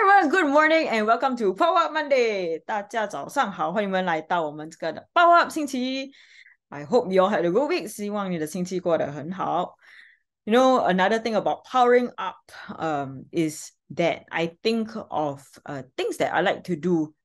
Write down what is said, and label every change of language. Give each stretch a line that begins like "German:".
English: Good morning and welcome to Power Up Monday.
Chinese: 大家早上好，欢迎们来到我们这个的 Power Up 星期一。
English: I hope you all had a good week.
Chinese: 希望你的星期过得很好。
English: You know, another thing about powering up, is that I think of things that I like to do.